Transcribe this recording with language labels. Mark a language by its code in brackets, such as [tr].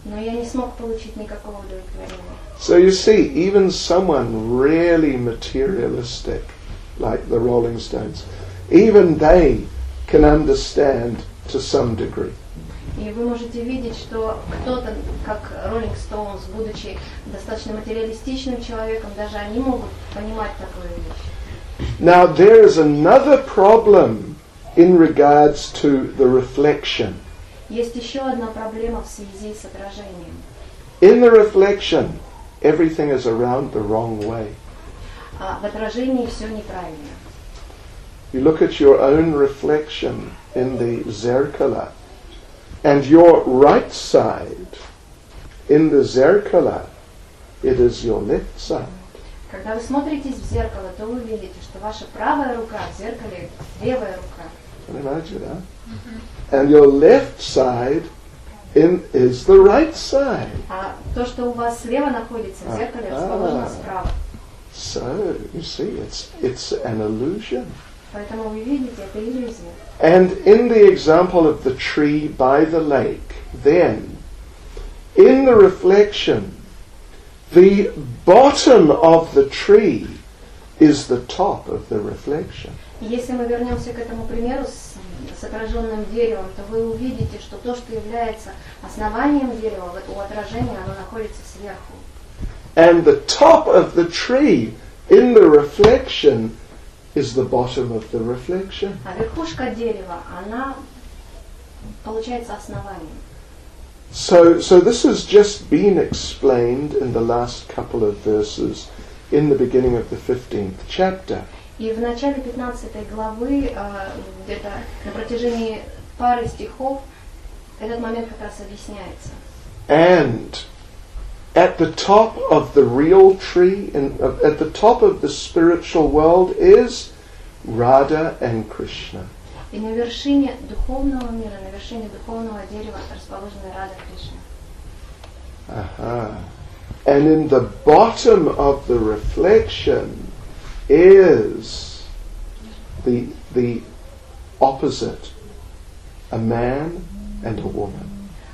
[ru] Но я не смог получить никакого удовлетворения. [en] So you see, even someone really materialistic, like the Rolling Stones, even they can understand to some degree. [ru] И вы можете видеть, что кто-то, как Rolling Stones, будучи достаточно материалистичным человеком, даже они могут понимать такую вещь. [en] Now there is another problem in regards to the reflection. [ru] Есть еще одна проблема в связи с отражением. [en] In the reflection, everything is around the wrong way. [ru] В отражении все неправильно. [en] You look at your own reflection in the zerkala. And your right side, in the zerkala, it is your left side. [ru] Когда вы смотритесь в зеркало, то вы видите, что ваша правая рука в зеркале – левая рука. Понимаете, да? [en] And your left side is the right side. [ru] А то, что у вас слева находится в зеркале, расположено справа. [en] So, you see, it's an illusion. [ru] Поэтому вы видите, это иллюзия. [en] And in the example of the tree by the lake, then, in the reflection, the bottom of the tree is the top of the reflection. [ru] Если мы вернемся к этому примеру с отраженным деревом, то вы увидите, что то, что является основанием дерева, у отражения, оно находится сверху. [en] And the top of the tree in the reflection is the bottom of the reflection. [ru] А верхушка дерева, она получается основанием. [en] So this has just been explained in the last couple of verses in the beginning of the 15th chapter. [ru] И в начале 15 главы, где-то на протяжении пары стихов, этот момент как раз объясняется. [en] And at the top of the real tree, and at the top of the spiritual world is Radha and Krishna. [ru] И на вершине духовного мира, на вершине духовного дерева расположены Рада и Кришна. Ага. [en] And in the bottom of the reflection is the opposite, a man and a woman.